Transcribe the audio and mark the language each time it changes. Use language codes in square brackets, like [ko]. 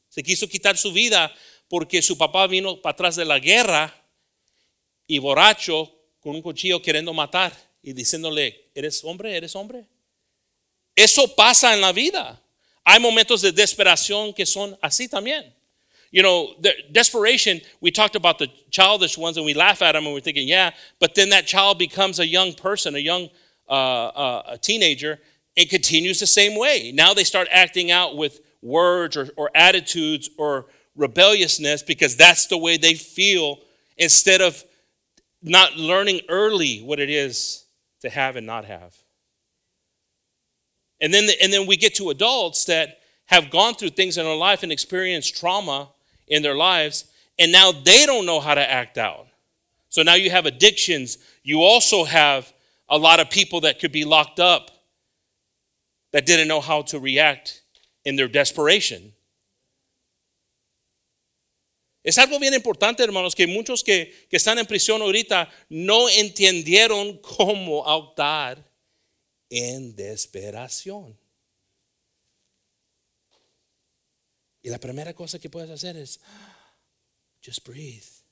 [es] Se quiso quitar su vida porque su papá vino para atrás de la guerra y borracho con un cuchillo queriendo matar y diciéndole, ¿eres hombre? ¿Eres hombre? Eso pasa en la vida. Hay momentos de desesperación que son así también. [en] You know, the desperation, we talked about the childish ones and we laugh at them and we're thinking, yeah, but then that child becomes a young person, a young a teenager, and continues the same way. Now they start acting out with words or attitudes or rebelliousness because that's the way they feel instead of not learning early what it is to have and not have. And then we get to adults that have gone through things in their life and experienced trauma in their lives, and now they don't know how to act out. So now you have addictions. You also have a lot of people that could be locked up that didn't know how to react in their desperation. [es] Es algo bien importante, hermanos, que muchos que están en prisión ahorita no entendieron cómo actuar en desesperación. Y la primera cosa que puedes hacer es [en] just breathe.